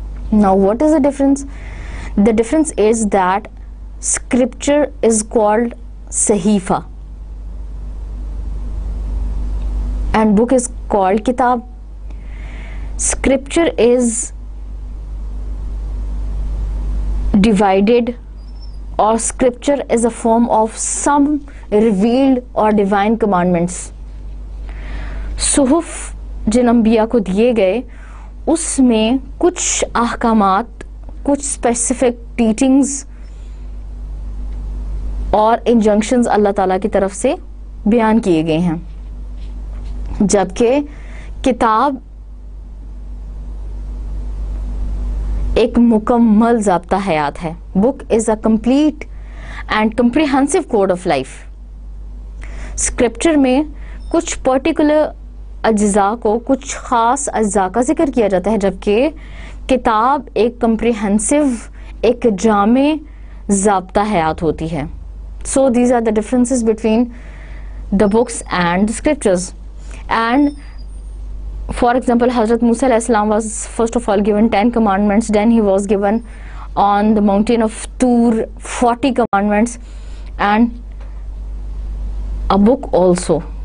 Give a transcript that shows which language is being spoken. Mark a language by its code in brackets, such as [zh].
[en] Now what is the difference? The difference is that scripture is called sahifa and book is called kitab. Scripture is divided, or scripture is a form of some revealed or divine commandments. [ur] Suhuf jin anbiya ko diye gaye usme kuch ahkamat, kuch specific teachings اور انجنکشنز اللہ تعالیٰ کی طرف سے بیان کیے گئے ہیں, جبکہ کتاب ایک مکمل ضابطہ حیات ہے. [en] Book is a complete and comprehensive code of life. [ur] Scripture میں کچھ particular اجزاء کو, کچھ خاص اجزاء کا ذکر کیا جاتا ہے, جبکہ کتاب ایک comprehensive, ایک جامع ضابطہ حیات ہوتی ہے. [en] So these are the differences between the books and the scriptures. And for example, Hazrat Musa alayhi salam was first of all given 10 commandments, then he was given on the mountain of Tur 40 commandments and a book also.